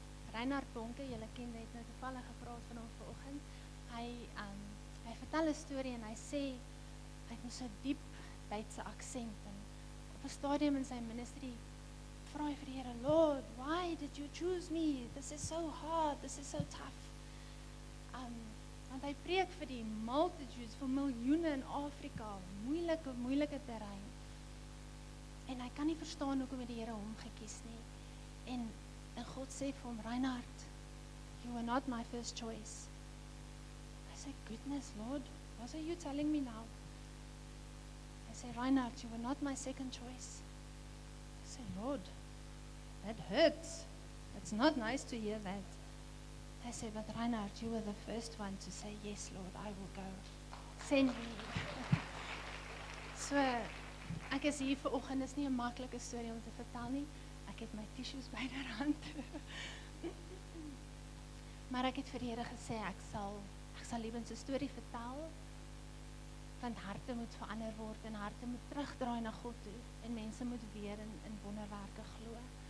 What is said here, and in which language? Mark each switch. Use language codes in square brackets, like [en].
[af] Reinhard Bonke, julle ken, het nou toevallig gepraat van hom vanoggend. Hy vertel 'n storie en hy sê hy het so diep Duitse aksent en op 'n stadium in sy ministerie vra hy vir die Here, [en] Lord, why did you choose me? This is so hard, this is so tough. [af] Want hy preek vir die multitudes, vir miljoene in Afrika, moeilike, moeilike terrein. En hy kan nie verstaan hoekom het die Here hom gekies nie. En God sê vir hom, [en] Reinhard, you are not my first choice. I say, goodness, Lord, what are you telling me now? I say, Reinhard, you were not my second choice. I say, Lord, that hurts. It's not nice to hear that. I say, but Reinhard, you were the first one to say, yes, Lord, I will go. Send me. [af] So, ek is hier vir oggend. Is nie 'n maklike storie om te vertel nie. Ek het my tissues by die rand. Maar ek het vir die Here gesê, ek sal liewens 'n storie vertel. want harte moet verander word en harte moet terugdraai na God toe en mense moet weer in wonderwerke glo.